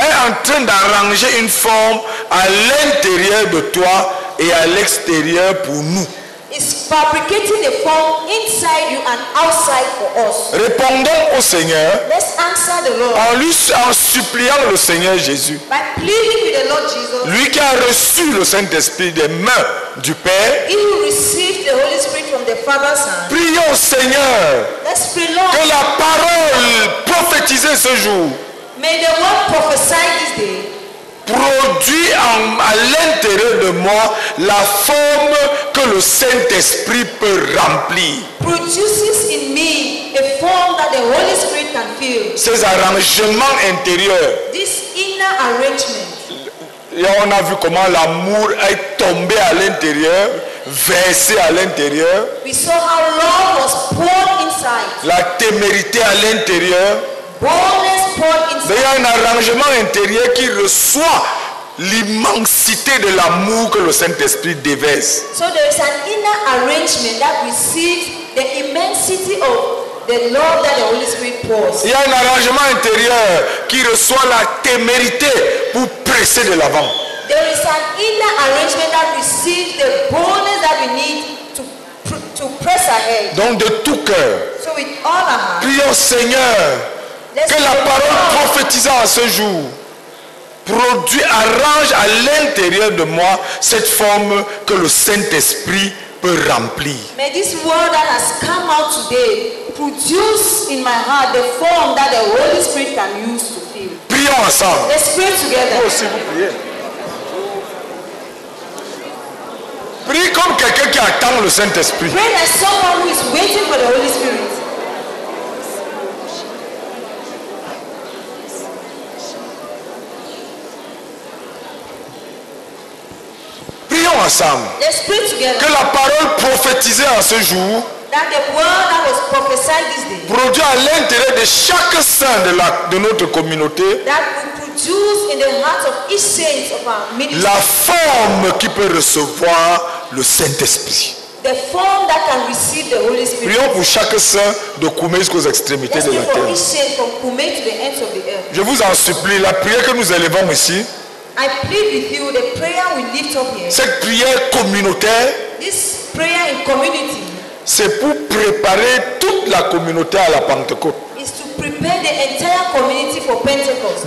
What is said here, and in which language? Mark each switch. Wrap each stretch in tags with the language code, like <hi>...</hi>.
<fr>est en train d'arranger une forme à l'intérieur de toi et à l'extérieur pour nous.</fr> <en>Is fabricating a form inside you and outside for us.</en> <fr>Répondons au Seigneur.</fr> <en>Let's answer the Lord.</en> <fr>En suppliant le Seigneur Jésus.</fr> <en>By pleading with the Lord Jesus.</en> <fr>Lui qui a reçu le Saint-Esprit des mains du Père.</fr> <en>He who received the Holy Spirit from the Father's hand.</en> <fr>Prions au Seigneur.</fr> <en>Let's pray, Lord.</en> <fr>Que la parole prophétisée ce jour.</fr> <en>May the word prophesied this day.</en> <fr>Produit à l'intérieur de moi la forme que le Saint-Esprit peut remplir.</fr> <en>Produces in me a form that the Holy Spirit can fill.</en> <fr>Ces arrangements intérieurs.</fr> <en>This inner arrangement.</en> <fr>Et on a vu comment l'amour est tombé à l'intérieur, versé à l'intérieur.</fr> <en>We saw how love was poured inside.</en> <fr>La témérité à l'intérieur. Mais il y a un arrangement intérieur qui reçoit l'immensité de l'amour que le Saint-Esprit déverse.</fr> <en>So there is an inner arrangement that receives the immensity of the love that the Holy Spirit pours.</en> <fr>Il y a un arrangement intérieur qui reçoit la témérité pour presser de l'avant.</fr> <en>There is an inner arrangement that receives the boldness that we need to press ahead.</en> <fr>Donc de tout cœur.</fr> <en>So with all our hearts.</en> <fr>Prions Seigneur. Que la parole prophétisée à ce jour produit, arrange à l'intérieur de moi cette forme que le Saint-Esprit peut remplir.</fr> <en>May this word that has come out today produce in my heart the form that the Holy Spirit can use to fill.</en> <fr>Prions ensemble.</fr> <en>Let's pray together.</en> <fr>Oh, s'il vous plaît. Prie comme quelqu'un qui attend le Saint-Esprit.</fr> <en>Pray like someone who is waiting for the Holy Spirit.</en> <fr>Ensemble. Que la parole prophétisée à ce jour produit à l'intérieur de chaque saint de notre communauté la forme qui peut recevoir le Saint-Esprit.</fr> <en>The form that can receive the Holy Spirit.</en> <fr>Prions pour chaque saint de Koumé jusqu'aux extrémités de la terre. Je vous en supplie, la prière que nous élevons ici,</fr> <en>I plead with you, the prayer we lift up here.</en> <fr>Cette prière communautaire.</fr> <en>This prayer in community.</en> <fr>C'est pour préparer toute la communauté à la Pentecôte.</fr> <en>Is to prepare the entire community for Pentecost.</en>